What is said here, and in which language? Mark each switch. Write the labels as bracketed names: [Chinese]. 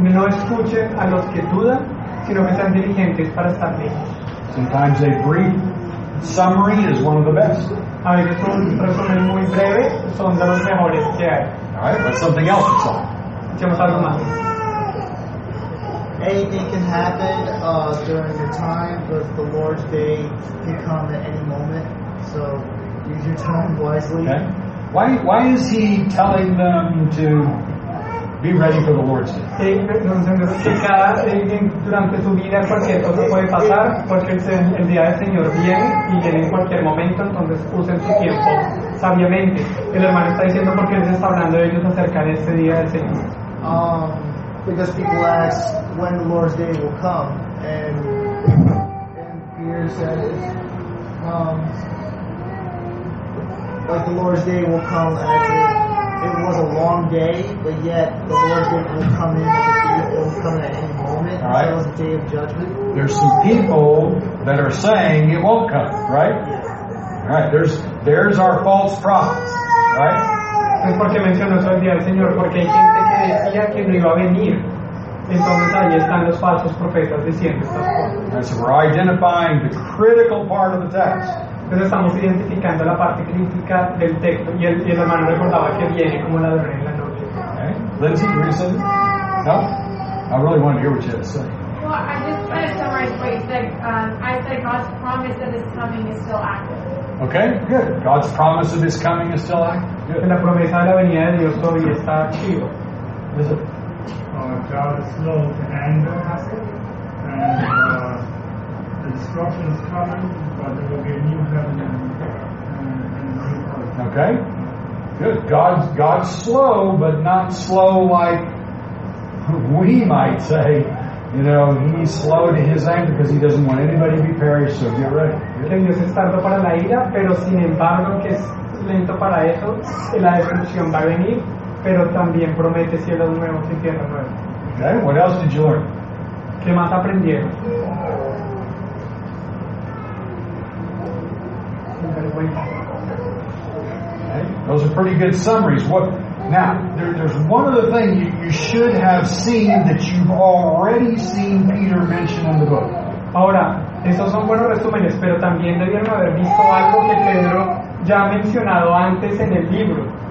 [Spanish] No escuchen a los que dudan, sino que sean diligentes para estar listos. [English] Sometimes a brief summary is one of the best. [Spanish] A veces un resumen muy breve son de los mejores que hay. [English] All right, but something else is on. [Spanish] Echemos algo más. [English] Anything can happen during your time, but the Lord's day can come at any moment. So use your time wisely. Okay. Why is he telling them to be ready for the Lord's day? [Spanish] Durante su vida cualquier cosa puede pasar, porque el día del Señor viene y viene en cualquier momento, entonces usen su tiempo sabiamente. El hermano está diciendo porque él está hablando de ellos acerca de este día del Señor. [English] Because people ask when the Lord's day will come, and Peter says, like the Lord's day will come as it was a long day, but yet the Lord's day will come in. It will come at any moment. All right. So it's a day of judgment. There's some people that are saying it won't come, right? Yeah. All right. There's our false prophets, right? [Spanish] Es porque mencionó eso el día del Señor, porque hay gente que decía que no iba a venir. Entonces ahí están los falsos profetas diciendo estas cosas. [English] So we're identifying the critical part of the text. [Spanish] Entonces estamos identificando la parte crítica del texto, y el hermano recordaba que viene como la ladrón en la noche. [English] Okay. Lindsay, you said? No? I really want to hear what you had to say. Well, I just kind of summarized what you said. I said God's promise that His coming is still active. Okay, good. God's promise of His coming is still active. Good. [Spanish] En la promesa de la venida de Dios todavía está activo. [English] Is it? God is slow to anger, and destruction is coming, but there will be a new heaven and new earth. Okay, good. God's slow, but not slow like we might say. You know, he's slow to his anger because he doesn't want anybody to be perished, so get ready. [Spanish] Que Dios es tardo para la ira, pero sin embargo que es lento para eso, la destrucción va a venir, pero también promete cielos nuevos y tierra nueva. [English] Okay, what else did you learn? [Spanish] ¿Qué más aprendieron? [English] Okay, those are pretty good summaries. What? Now, there's one other thing you should have seen that you've already seen Peter mention in the book. [Spanish] Ahora, esos son buenos resúmenes, pero también debieron haber visto algo que Pedro ya ha mencionado antes en el libro.